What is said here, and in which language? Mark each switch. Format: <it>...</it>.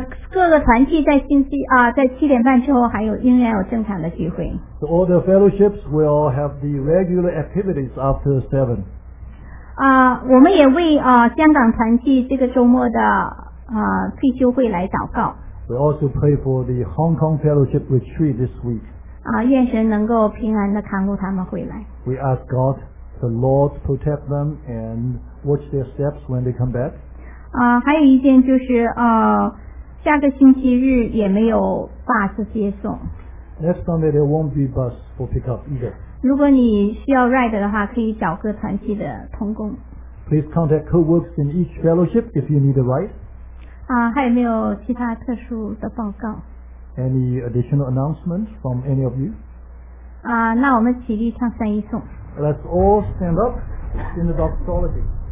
<zh>各个团契在星期在七点半之后还有仍然有正常的聚会。</zh> <en>So all the fellowships will have the regular activities after 7.</en> <zh>我们也为香港团契这个周末的退休会来祷告。</zh> <en>We also pray for the Hong Kong Fellowship Retreat this week.</en> <zh>愿神能够平安地看顾他们回来。</zh> <en>We ask God, the Lord, protect them and watch their steps when they come back.</en> <zh>还有一件就是下个星期日也没有巴士接送。</zh> <en>Next Sunday there won't be bus for pickup either.</en> <zh>如果你需要 ride 的话，可以找各团契的同工。</zh> <en>Please contact co-workers in each fellowship if you need a ride.</en> <zh>还有没有其他特殊的报告</zh> <en>？Any additional announcements from any of you？</en> <zh>那我们起立唱三一颂。</zh> <en>Let's all stand up in the doxology.</en>